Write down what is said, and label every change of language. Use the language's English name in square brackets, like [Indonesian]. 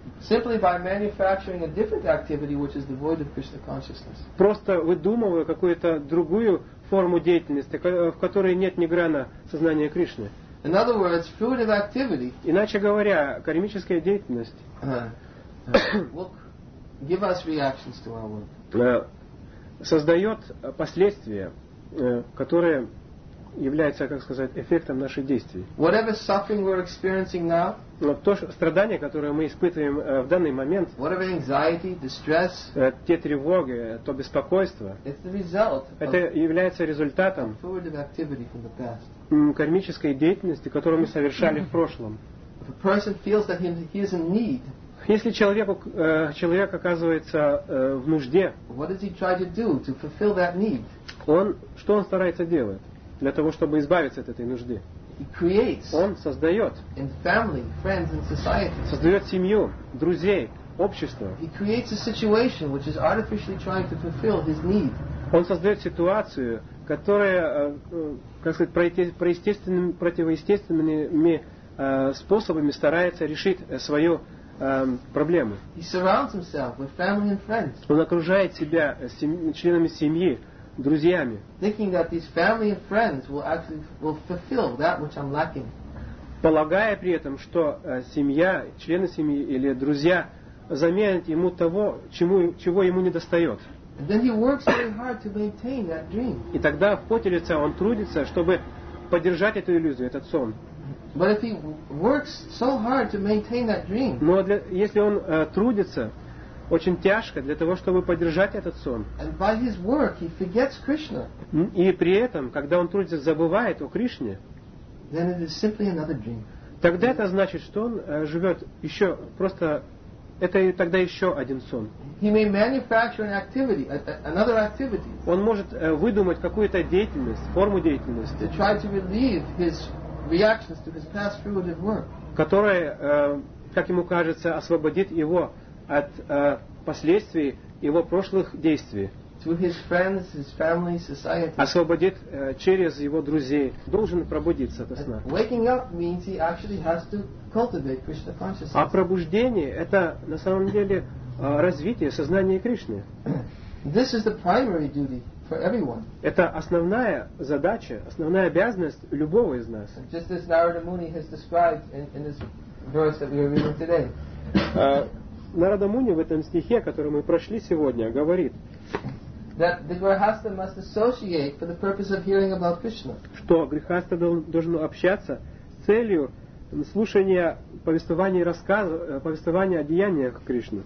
[English] Simply by manufacturing a different activity which is devoid of Krishna consciousness. [Russian] Просто выдумывая какую-то другую форму деятельности, в которой нет ни грана сознания Кришны. [English] In other words, fruitive activity. [Russian] Иначе говоря, кармическая деятельность [English] will give us reactions to our work. [Russian] Создает последствия, которые является, как сказать, эффектом наших действий. [English] Whatever suffering we're experiencing now, [Russian] но то страдание, которое мы испытываем в данный момент, [English] whatever anxiety, distress, [Russian] те тревоги, то беспокойство, [English] it's the result [Russian] это является результатом [English] forward of activity from the past. [Russian] Кармической деятельности, которую мы совершали в прошлом. [English] If a person feels that he is in need, [Russian] если человеку, человек оказывается в нужде, [English] what does he try to do to fulfill that need? [Russian] Он, что он старается делать? Для того, чтобы избавиться от этой нужды. Он создает. [English] In family, friends, in society. [Russian] Создает семью, друзей, общество. [English] He creates a situation which is artificially trying to fulfill his need. [Russian] Он создает ситуацию, которая, как сказать, проестественными, противоестественными способами старается решить свою проблему. [English] He surrounds himself with family and friends. [Russian] Он окружает себя членами семьи, друзьями. [English] Thinking that these family and friends will actually will fulfill that which I'm lacking. [Russian] Полагая при этом, что семья, члены семьи или друзья заменят ему того, чего ему не достает. [English] And then he works very hard to maintain that dream. [Russian] И тогда в поте лица он трудится, чтобы поддержать эту иллюзию, этот сон. [English] But if he works so hard to maintain that dream. [Russian] Но для, если он трудится очень тяжко для того, чтобы поддержать этот сон. [English] And by his work he forgets Krishna. [Russian] И при этом, когда он трудится, забывает о Кришне, [English] then it is simply another dream. [Russian] Тогда это значит, что он живет еще просто... Это тогда еще один сон. [English] He may manufacture an activity, another activity. [Russian] Он может выдумать какую-то деятельность, форму деятельности, [English] to try to relieve his reactions to his past frivolous work. [Russian] Которая, как ему кажется, освободит его от последствий его прошлых действий. [English] To his friends, his family, society. [Russian] Освободит через его друзей. Должен пробудиться от сна. [English] Waking up means he actually has to cultivate Krishna consciousness. [Russian] А пробуждение – это на самом деле развитие сознания Кришны. [English] This is the primary duty for everyone. [Russian] Это основная задача, основная обязанность любого из нас. [English] Just as Narada Muni has described in this verse that we are reading today. [Russian] Нарада Муни в этом стихе, который мы прошли сегодня, говорит, [English] that the grihastha must associate for the purpose of hearing about Krishna. [Russian] Что грихастха должен общаться с целью слушания повествования и рассказа, повествования о деяниях Кришны.